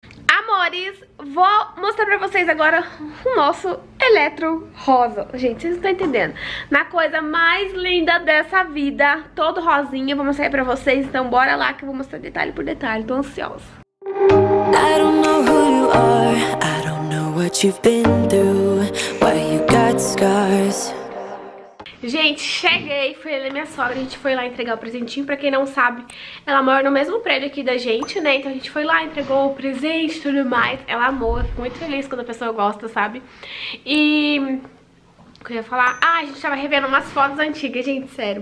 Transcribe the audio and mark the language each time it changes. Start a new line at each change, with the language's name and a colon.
Portuguese: Senhores, vou mostrar pra vocês agora o nosso eletro rosa. Gente, vocês não estão entendendo. Na coisa mais linda dessa vida, todo rosinha, vou mostrar aí pra vocês. Então bora lá que eu vou mostrar detalhe por detalhe. Tô ansiosa.
English: I don't know who you are. I don't know what you've been through. Why you got scars.
Portuguese: Gente, cheguei, foi ele e minha sogra, a gente foi lá entregar o presentinho. Pra quem não sabe, ela mora no mesmo prédio aqui da gente, né? Então a gente foi lá, entregou o presente e tudo mais. Ela amou, eu fico muito feliz quando a pessoa gosta, sabe? E o que eu ia falar? Ah, a gente tava revendo umas fotos antigas, gente, sério.